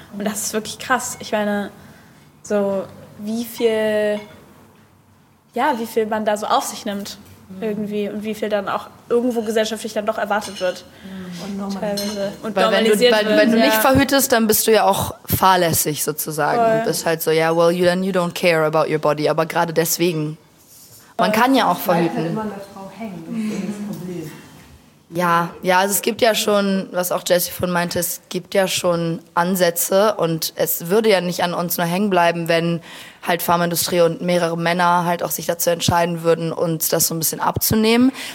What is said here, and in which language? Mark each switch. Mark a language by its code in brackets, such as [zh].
[de] Und das ist wirklich krass. Ich meine, so wie viel man da so auf sich nimmt irgendwie und wie viel dann auch irgendwo gesellschaftlich dann doch erwartet wird. Und wenn du nicht verhütest, dann bist du ja auch fahrlässig sozusagen. Voll. Und bist halt so, [en] you don't care about your body. [de] Aber gerade deswegen. Man kann ja auch verhüten. Halt immer an der Frau hängen. Das ist das Problem. Ja, also es gibt ja schon, was auch Jessie von meinte, es gibt ja schon Ansätze und es würde ja nicht an uns nur hängen bleiben, wenn halt Pharmaindustrie und mehrere Männer halt auch sich dazu entscheiden würden, uns das so ein bisschen abzunehmen.